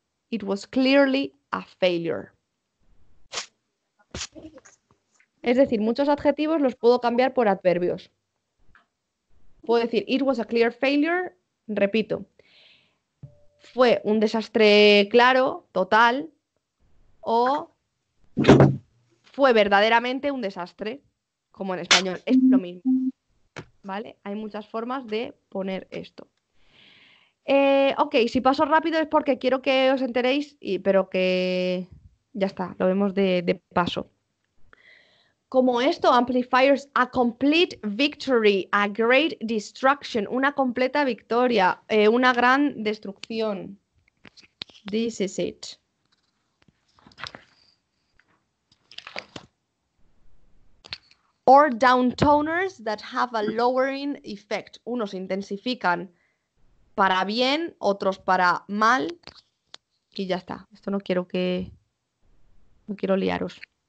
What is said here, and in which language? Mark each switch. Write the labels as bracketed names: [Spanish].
[English] It was clearly a failure. [Spanish] Es decir, muchos adjetivos los puedo cambiar por adverbios. Puedo decir, [English] it was a clear failure, [Spanish] repito. Fue un desastre claro, total, o fue verdaderamente un desastre, como en español. Es lo mismo, ¿vale? Hay muchas formas de poner esto. Ok, si paso rápido es porque quiero que os enteréis, pero que ya está, lo vemos de paso. Como esto, amplifiers, [English] a complete victory, a great destruction, [Spanish] una completa victoria, una gran destrucción. [English] This is it. Or downtoners that have a lowering effect. [Spanish] Unos intensifican para bien, otros para mal. Y ya está. Esto no quiero que... No quiero liaros.